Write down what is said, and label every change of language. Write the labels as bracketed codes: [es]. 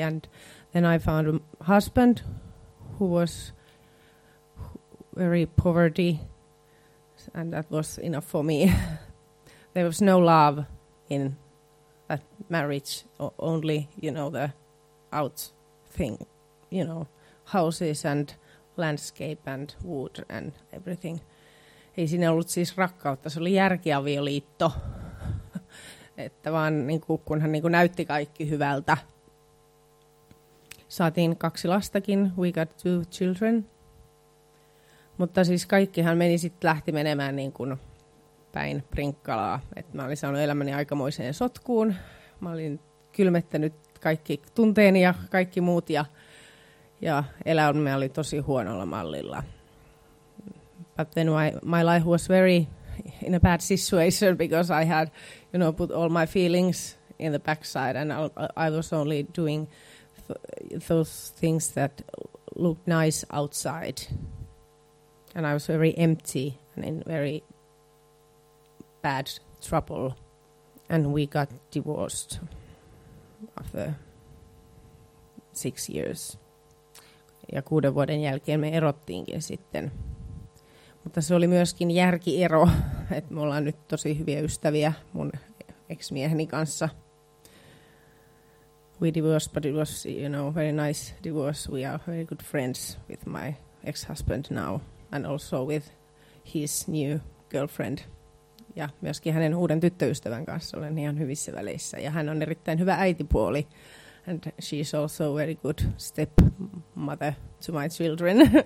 [en] And then I found a husband who was very poverty, and that was enough for me. There was no love in that marriage, only, you know, the out thing, you know, houses and landscape and wood and everything. [fi] Ei siinä ollut siis rakkautta, se oli järkiavioliitto. Että vaan niin kuin, kun hän niin kuin näytti kaikki hyvältä. Saatiin kaksi lastakin, [en] we got two children. [fi] Mutta siis kaikkihan meni sitten lähti menemään niin kuin päin prinkkalaa. Että mä olin saanut elämäni aikamoiseen sotkuun. Mä olin kylmettänyt kaikki tunteeni ja kaikki muut ja elämä oli tosi huonolla mallilla. [en] But then my life was very in a bad situation because I had, you know, put all my feelings in the backside and I was only doing those things that looked nice outside. And I was very empty and in very bad trouble. And we got divorced after 6 years. [fi] Ja 6 vuoden jälkeen me erottiinkin sitten. Mutta se oli myöskin järkiero, että me ollaan nyt tosi hyviä ystäviä mun ex-mieheni kanssa. [en] We divorced, but it was, you know, very nice divorce. We are very good friends with my ex-husband now and also with his new girlfriend. [fi] Ja myöskin hänen uuden tyttöystävän kanssa olen ihan hyvissä väleissä. Ja hän on erittäin hyvä äitipuoli. [en] And she's also a very good stepmother to my children.